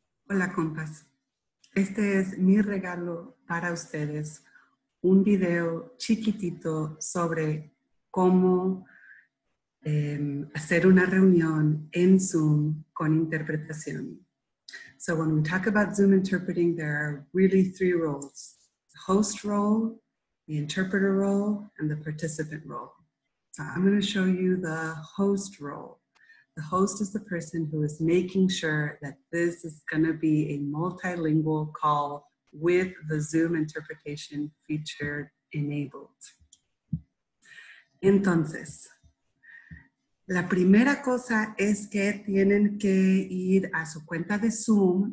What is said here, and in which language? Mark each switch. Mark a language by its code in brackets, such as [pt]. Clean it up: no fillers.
[es] Hola compas, este es mi regalo para ustedes, un video chiquitito sobre cómo hacer una reunión en Zoom con interpretación. [en] So when we talk about Zoom interpreting, there are really three roles: the host role, the interpreter role, and the participant role. So I'm going to show you the host role. The host is the person who is making sure that this is going to be a multilingual call with the Zoom interpretation feature enabled. [es] Entonces, la primera cosa es que tienen que ir a su cuenta de Zoom.